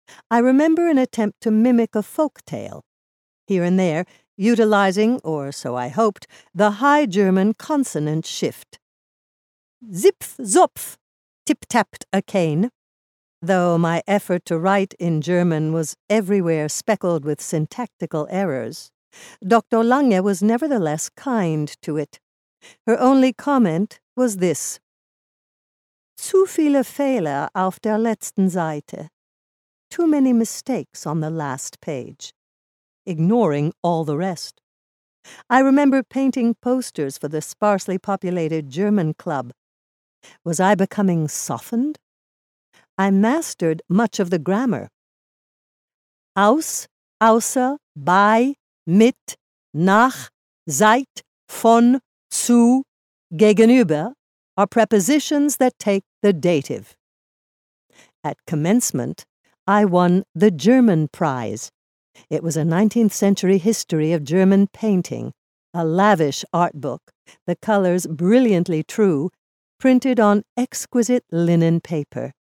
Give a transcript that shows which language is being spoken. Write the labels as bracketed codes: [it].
[en] I remember an attempt to mimic a folk tale, here and there, utilizing, or so I hoped, the high German consonant shift. Zipf, zopf, tip-tapped a cane. Though my effort to write in German was everywhere speckled with syntactical errors, Dr. Lange was nevertheless kind to it. Her only comment was this: [de] Zu viele Fehler auf der letzten Seite. [en] Too many mistakes on the last page. Ignoring all the rest. I remember painting posters for the sparsely populated German club. Was I becoming softened? I mastered much of the grammar. Aus, außer, bei, mit, nach, seit, von, zu, gegenüber are prepositions that take the dative. At commencement, I won the German Prize. It was a 19th century history of German painting, a lavish art book, the colors brilliantly true, printed on exquisite linen paper.